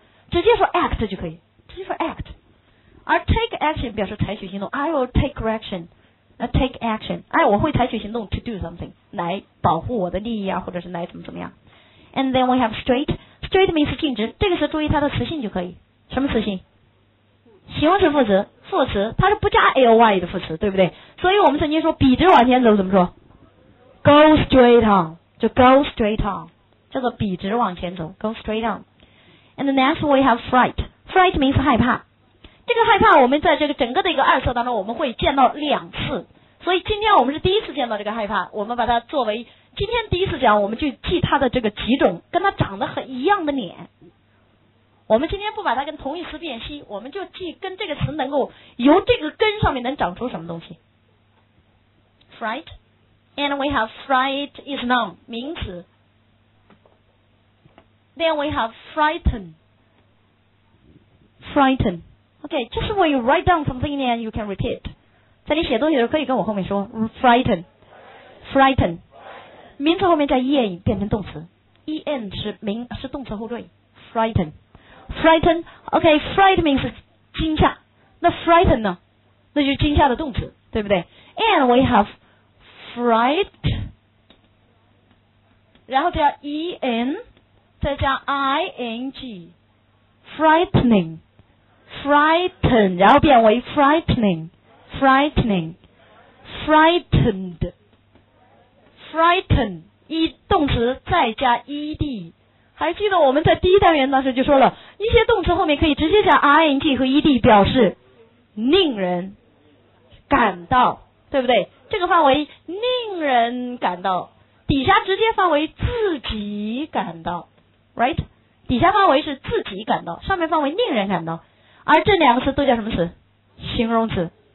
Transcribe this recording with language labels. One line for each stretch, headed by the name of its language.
Chinese: 直接说 act 就可以，直接说 act。而 take action 表示采取行动，
English: I will take action，
Chinese: take action， 哎，我会采取行动
English: to do something，
Chinese: 来保护我的利益啊，或者是来怎么怎么样。
English: And then we have straight， straight means
Chinese: 径直，这个词注意它的词性就可以。什么词性？形容词副词，副词它是不加 ly 的副词，对不对？所以我们曾经说笔直往前走怎么说？
English: go straight on， 就 go straight on，
Chinese: 叫做笔直往前走，
English: go straight on。 And next we have fright， fright means 害怕。
Chinese: 这个害怕我们在这个整个的一个二册当中我们会见到两次，所以今天我们是第一次见到这个害怕，我们把它作为今天第一次讲，我们就记它的这个几种跟它长得很一样的脸。我们今天不把它跟同义词辨析，我们就记跟这个词能够由这个根上面能长出什么东西。
English: Fright。 And we have fright is noun， 名词。 Then we have frighten。 Okay, just when you write down something and you can repeat.
Chinese: 在你写东西的时候可以跟我后面说 frighten frighten， 名词后面加 en 变成动词， en 是名是动词后缀 frighten frighten，
English: ok fright means
Chinese: 惊吓，那 frighten 呢，那就是惊吓的动词，对不对？
English: and we have fright，
Chinese: 然后加
English: en 再加 ing， frightening frighten，
Chinese: 然后变为
English: frightening frightening frightened frighten， 一动词再加 ed。
Chinese: 还记得我们在第一单元当时就说了，一些动词后面可以直接加 ing 和 ed 表示令人感到，对不对？这个范围令人感到，底下直接范围自己感到 right， 底下范围是自己感到，上面范围令人感到，而这两个词都叫什么词？形容词。